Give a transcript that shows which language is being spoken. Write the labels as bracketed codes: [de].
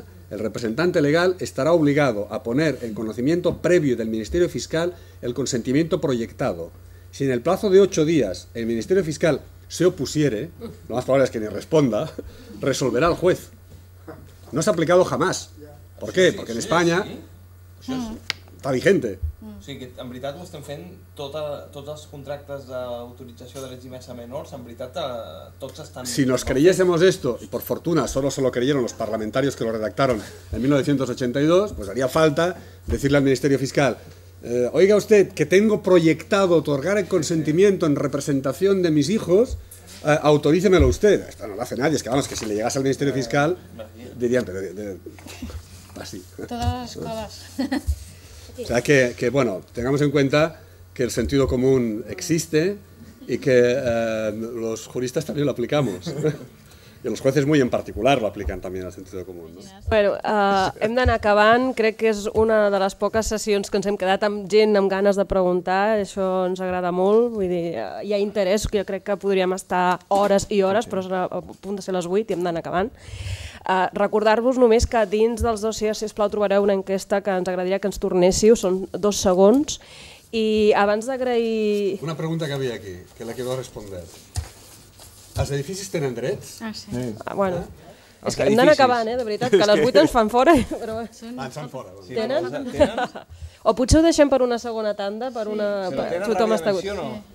[es] El representante legal estará obligado a poner en conocimiento previo del Ministerio Fiscal el consentimiento proyectado. Si en el plazo de 8 días el Ministerio Fiscal se opusiere, lo más probable es que ni responda, resolverá el juez. No se ha aplicado jamás. ¿Por qué? Porque en España está vigente. [ca] O sigui, que en veritat ho estem fent, tots els contractes d'autorització de regímens a menors, en veritat tots estan... [es] Si nos creyésemos esto, y por fortuna solo se lo creyeron los parlamentarios que lo redactaron en 1982, pues haría falta decirle al Ministerio Fiscal, oiga usted, que tengo proyectado otorgar el consentimiento en representación de mis hijos, autorícemelo usted. Esto no lo hace nadie, es que vamos, que si le llegase al Ministerio Fiscal, dirían, pero... así. Todas las escuelas... O sea que bueno, tengamos en cuenta que el sentido común existe y que los juristas también lo aplicamos. Y los jueces muy en particular lo aplican también al sentido común, ¿no? [ca] Bueno, hem d'anar acabant. Crec que és una de les poques sessions que ens hem quedat amb gent amb ganes de preguntar. Això ens agrada molt. Vull dir, hi ha interès, que jo crec que podríem estar hores i hores, però és a punt de ser les 8 i hem d'anar acabant. Recordar-vos només que dins dels dossiers, sisplau, trobareu una enquesta que ens agradaria que ens tornéssiu. Són 2 segons. I abans d'agrair... Una pregunta que havia aquí, que la quedo a respondre. Els edificis tenen drets? Ah, sí. Bueno, és que hem d'anar acabant, de veritat, que a les 8 ens fan fora. Però... ens fan fora. Sí, tenen? O potser ho deixem per una segona tanda, per una... Si no tenen ràdio d'emissió, no.